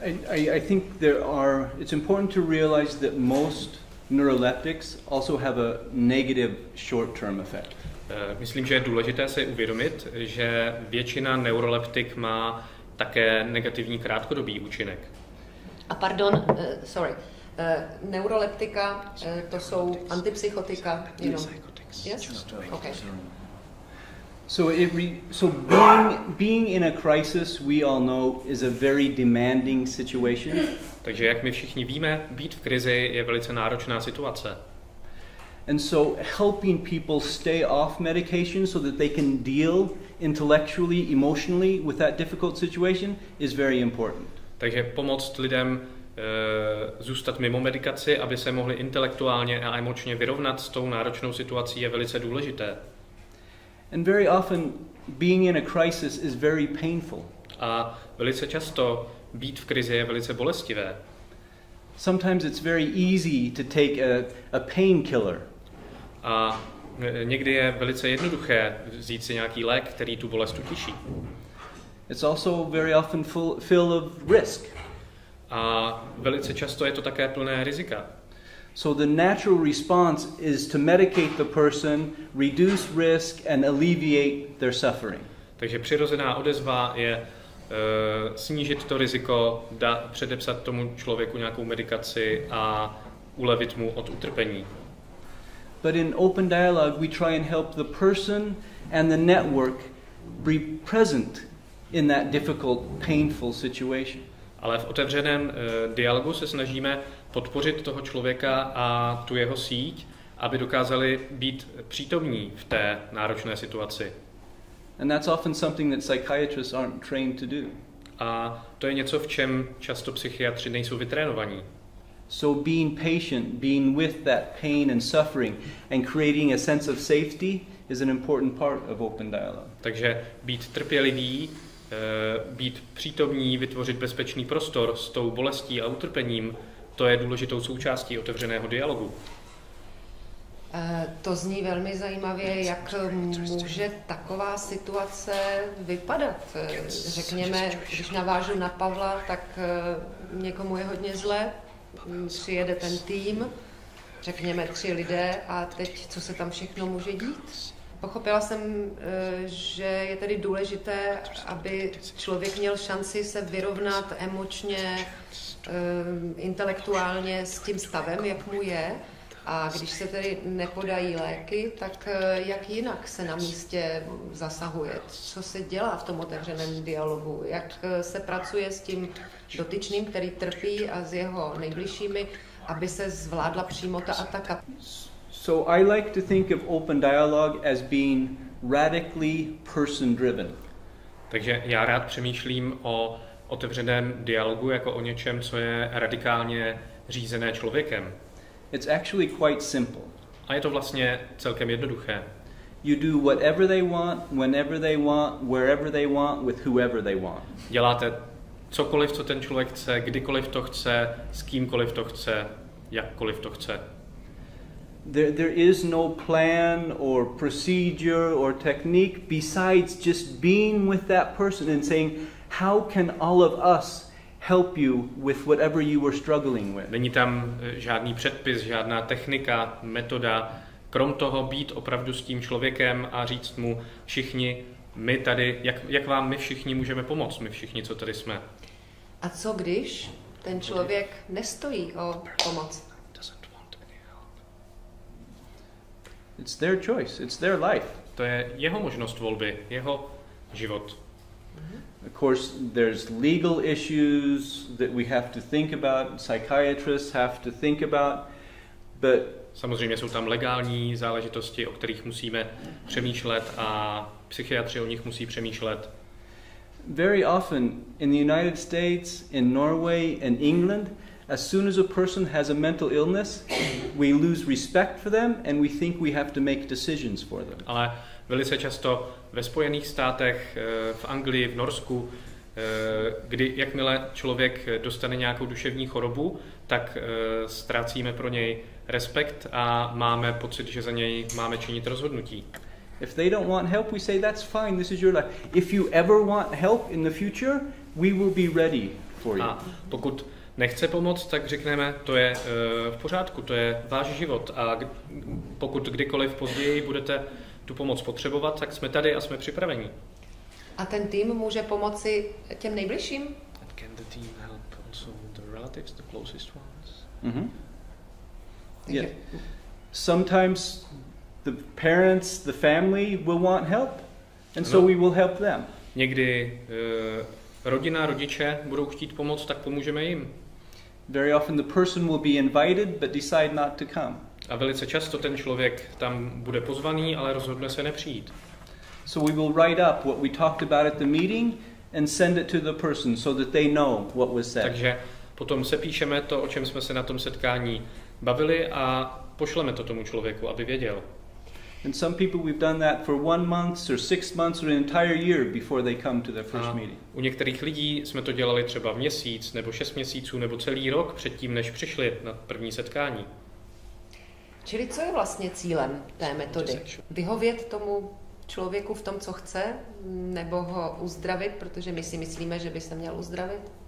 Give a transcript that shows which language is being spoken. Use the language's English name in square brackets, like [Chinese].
[English] I think it's important to realize that most neuroleptics also have a negative short-term effect. [Czech] Myslím, že je důležité si uvědomit, že většina neuroleptik má také negativní krátkodobý účinek. A pardon, [English] sorry, [Czech] neuroleptika, to jsou antipsychotika, jenom? [English] Yes? Okay. So being in a crisis, we all know, is a very demanding situation. [Czech] Takže jak my všichni víme, být v krizi je velice náročná situace. [English] And so helping people stay off medication so that they can deal intellectually, emotionally with that difficult situation is very important. [Czech] Takže pomoct lidem zůstat mimo medikaci, aby se mohli intelektuálně a emočně vyrovnat s tou náročnou situací, je velice důležité. [English] And very often being in a crisis is very painful. [Czech] A velice často být v krizi je velice bolestivé. [English] Sometimes it's very easy to take a painkiller. [Czech] A někdy je velice jednoduché vzít si nějaký lék, který tu bolest utiší. [English] It's also very often full of risk. [Czech] A velice často je to také plné rizika. [English] So the natural response is to medicate the person, reduce risk and alleviate their suffering. [Czech] Takže přirozená odezva je snížit to riziko, předepsat tomu člověku nějakou medikaci a ulevit mu od utrpení. [English] But in open dialogue we try and help the person and the network be present in that difficult, painful situation. [Czech] Ale v otevřeném dialogu se snažíme podpořit toho člověka a tu jeho síť, aby dokázali být přítomní v té náročné situaci. [English] And that's often something that psychiatrists aren't trained to do. [Czech] A to je něco, v čem často psychiatři nejsou vytrénovaní. [English] So being patient, being with that pain and suffering and creating a sense of safety is an important part of open dialogue. [Czech] Takže být trpělivý, být přítomní, vytvořit bezpečný prostor s tou bolestí a utrpením, to je důležitou součástí otevřeného dialogu. To zní velmi zajímavě, jak může taková situace vypadat. Řekněme, když navážu na Pavla, tak někomu je hodně zle, přijede ten tým, řekněme tři lidé a teď co se tam všechno může dít? Pochopila jsem, že je tedy důležité, aby člověk měl šanci se vyrovnat emočně, intelektuálně s tím stavem, jak mu je. A když se tedy nepodají léky, tak jak jinak se na místě zasahuje? Co se dělá v tom otevřeném dialogu? Jak se pracuje s tím dotyčným, který trpí, a s jeho nejbližšími, aby se zvládla přímo ta ataka? [English] So I like to think of open dialogue as being radically person-driven. [Czech] Takže já rád přemýšlím o otevřeném dialogu jako o něčem, co je radikálně řízené člověkem. [English] It's actually quite simple. [Czech] A je to vlastně celkem jednoduché. [English] You do whatever they want, whenever they want, wherever they want, with whoever they want. [Czech] Děláte cokoliv, co ten člověk chce, kdykoliv to chce, s kýmkoliv to chce, jakkoliv to chce. [English] There is no plan or procedure or technique besides just being with that person and saying, how can all of us help you with whatever you were struggling with. [Czech] Není tam žádný předpis, žádná technika, metoda, krom toho být opravdu s tím člověkem a říct mu, všichni my tady, jak vám my všichni můžeme pomoct, my všichni, co tady jsme. A co když ten člověk nestojí o pomoc? [English] It's their choice, it's their life. [Czech] To je jeho možnost volby, jeho život. [English] Of course, there's legal issues that we have to think about, psychiatrists have to think about, but... [Czech] Samozřejmě jsou tam legální záležitosti, o kterých musíme přemýšlet a psychiatři o nich musí přemýšlet. [English] Very often in the United States, in Norway, in England, as soon as a person has a mental illness, we lose respect for them and we think we have to make decisions for them. [Czech] Ale velice často ve Spojených státech, v Anglii, v Norsku, kdy jakmile člověk dostane nějakou duševní chorobu, tak ztrácíme pro něj respekt a máme pocit, že za něj máme činit rozhodnutí. [English] If they don't want help, we say that's fine, this is your life. If you ever want help in the future, we will be ready for you. [Czech] A pokud nechce pomoc, tak řekneme, to je v pořádku, to je váš život a pokud kdykoliv později budete tu pomoc potřebovat, tak jsme tady a jsme připraveni. A ten tým může pomoci těm nejbližším? [English] And can the team help also the relatives, the closest ones? Yeah. Sometimes the parents, the family will want help, and so we will help them. [Czech] Někdy rodina, rodiče budou chtít pomoc, tak pomůžeme jim. [English] Very often the person will be invited, but decide not to come. [Czech] A velice často ten člověk tam bude pozvaný, ale rozhodne se nepřijít. [English] So we will write up what we talked about at the meeting and send it to the person so that they know what was said. [Czech] Takže potom sepíšeme to, o čem jsme se na tom setkání bavili a pošleme to tomu člověku, aby věděl. [English] And some people we've done that for 1 month or 6 months or an entire year before they come to their first meeting. [Czech] U některých lidí jsme to dělali třeba měsíc nebo 6 měsíců nebo celý rok předtím, než přišli na první setkání. Čili co je vlastně cílem té metody? Vyhovět tomu člověku v tom, co chce, nebo ho uzdravit, protože my si myslíme, že by se měl uzdravit?